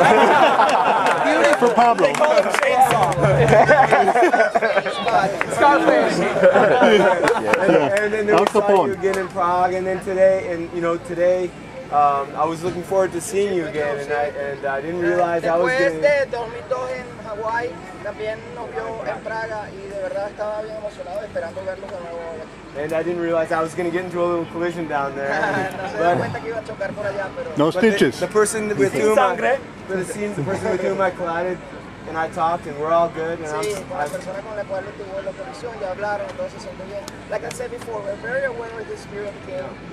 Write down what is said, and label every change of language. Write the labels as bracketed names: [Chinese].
[English] Beautiful. For Pablo. They call him Chainsaw. And then we saw you again in Prague, and then today, and you know, today, I was looking forward to seeing you again, and I didn't realize I was getting... [Spanish] Después de 2002 en Hawaii, también nos vio en Praga, y de verdad estaba bien emocionado esperando verlos de nuevo hoy. [English] And I didn't realize I was going to get into a little collision down there. But no stitches. The person with whom I collided and I talked and we're all good. And like I said before, we're very aware of this spirit game.